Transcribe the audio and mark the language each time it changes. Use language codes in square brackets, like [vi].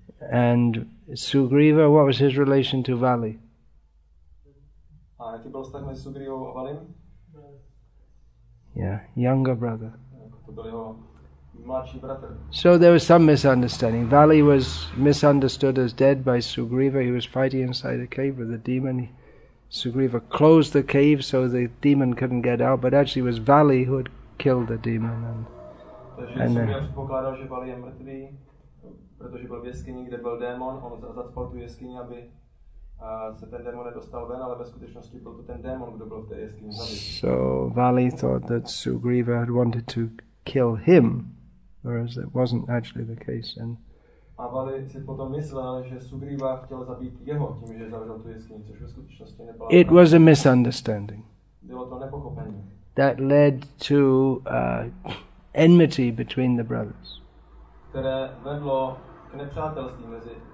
[en] And Sugriva, what was his relation to Vali? [cs] Jaký byl vztah mezi Sugrivou a Valim? [en] Yeah, younger brother. [cs] To byl jeho mladší bratr. [en] So there was some misunderstanding. Vali was misunderstood as dead by Sugriva. He was fighting inside a cave with a demon. Sugriva closed the cave so the demon couldn't get out, but actually it was Vali who had killed the demon. [cs] Takže Sugriva předpokládal, že Vali je mrtvý, protože byl v jeskyni, kde byl démon. On zacpal tu jeskyni, aby se ten démon nedostal ven, ale ve skutečnosti byl to ten démon, kdo byl v té jeskyni zabit. [en] So Vali thought that Sugriva had wanted to kill him, whereas that wasn't actually the case. And [cs] a Vali si potom myslel, že Sugriva chtěl zabít jeho tím, že zavřel tu jeskyni, což ve skutečnosti nebylo. [en] It was a misunderstanding. [cs] Bylo to nepochopení. [en] That led to enmity between the brothers. [cs] Které vedlo k nepřátelství mezi.